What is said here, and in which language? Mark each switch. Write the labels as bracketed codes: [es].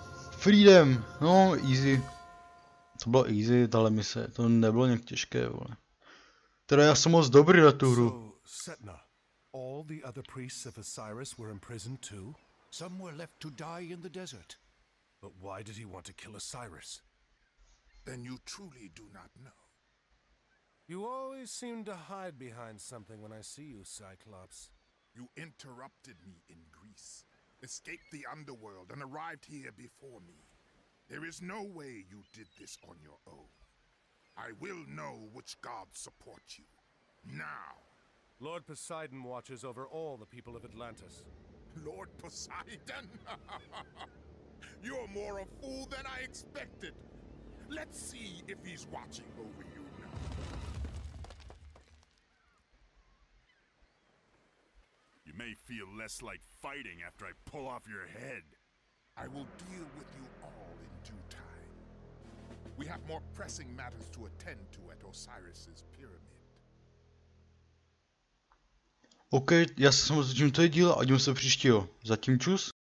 [en] Freedom, no easy. [cs] To bylo easy, tahle mise, to nebylo nějak těžké, vole. Teda já jsem moc dobrý na tu hru. [en] All the other priests of Osiris were imprisoned too. Some were left to die in the desert. But why did he want to kill Osiris? Then you truly do not know. You always seem to hide behind something when I see you, Cyclops. You interrupted me in Greece. Escaped the underworld and arrived here before me. There is no way you did this on your own. I will know which gods support you. Now. Lord Poseidon watches over all the people of Atlantis. Lord Poseidon? You're more a fool than I expected. Let's see if he's watching over you now. You may feel less like fighting after I pull off your head. I will deal with you all in due time. We have more pressing matters to attend to at Osiris's pyramid. [cs] Okay, já se samozřejmě to je díl a jdeme se příštího. Zatím čus.